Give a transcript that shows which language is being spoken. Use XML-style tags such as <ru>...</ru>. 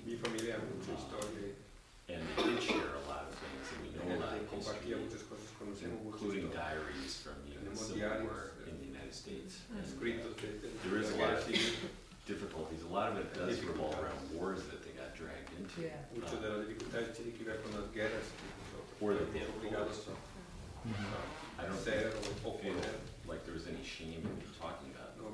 <es>Mi familia hay mucha historia.</es> <en>And they did share a lot of things, and we know a lot of history,</en> <es>muchas cosas, conocemos</es> <en>including</en> <es>muchas</es> <en>diaries from the Civil War in the United States. There is a lot of difficulties. A lot of it does revolve around wars that they got dragged into.</en> <es>Mucho de las dificultades tiene que ver con las guerras.</es> <en>Or that they have caused. So, I don't think like there was any shame in talking about</en>